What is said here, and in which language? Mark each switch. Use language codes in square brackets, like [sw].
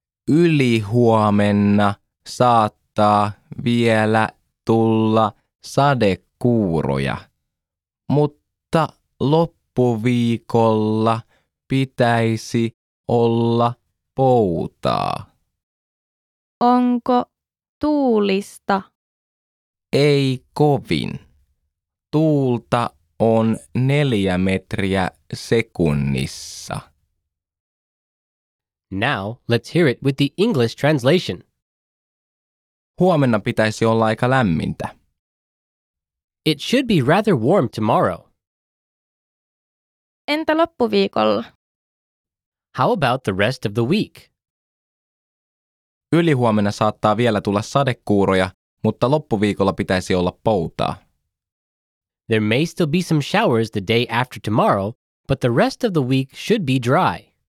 [fi] Ylihuomenna saattaa vielä tulla sadekuuroja, mutta loppuviikolla pitäisi olla poutaa. Onko tuulista? Ei kovin. Tuulta on 4 metriä sekunnissa. [en] Now, let's hear it with the English translation. [fi] Huomenna pitäisi olla aika lämmintä. [en] It should be rather warm tomorrow. [fi] Entä loppuviikolla? [en] How about the rest of the week? [fi] Ylihuomenna saattaa vielä tulla sadekuuroja, mutta loppuviikolla pitäisi olla poutaa. [en] There may still be some showers the day after tomorrow, but the rest of the week should be dry.